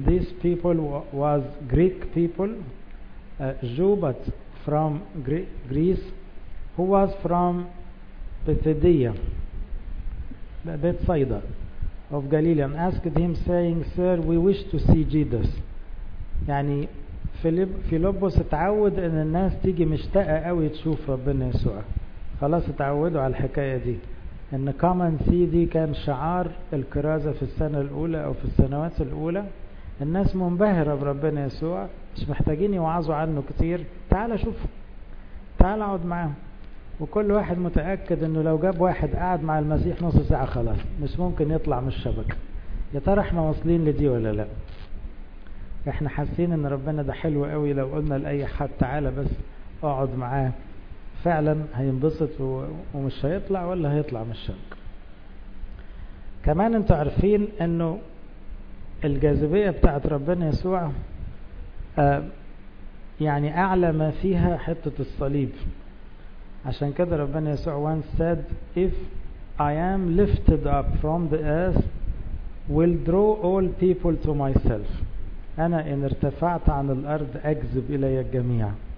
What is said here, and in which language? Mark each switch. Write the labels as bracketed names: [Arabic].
[English] These people was Greek people, Jew, but from Greece, who was from Bethsaida, Bethsaida of Galilee, and asked him, saying, "Sir, we wish to see Jesus." [Arabic] يعني فيلبس اتعود ان الناس تيجي مشتاقة قوي تشوف ربنا يسوع. خلاص اتعودوا على الحكاية دي. ان [English] come and see [Arabic] دي كان شعار الكرازة في السنة الاولى او في السنوات الاولى. الناس منبهرة بربنا يسوع. مش محتاجين يوعظوا عنه كتير. تعال شوف. تعال اقعد معه. وكل واحد متأكد انه لو جاب واحد قعد مع المسيح نص ساعة خلاص. مش ممكن يطلع من الشبكة. يا ترى احنا واصلين لدي ولا لا. احنا حاسين ان ربنا ده حلو قوي لو قلنا لاي حد تعالى بس اقعد معاه فعلا هينبسط ومش هيطلع ولا هيطلع من الشرك. كمان انتوا عارفين انه الجاذبية بتاعت ربنا يسوع يعني اعلى ما فيها حتة الصليب. عشان كده ربنا يسوع [English] once said, if I am lifted up from the earth will draw all people to myself. [Arabic] أنا إن ارتفعت عن الأرض أجذب إلي الجميع.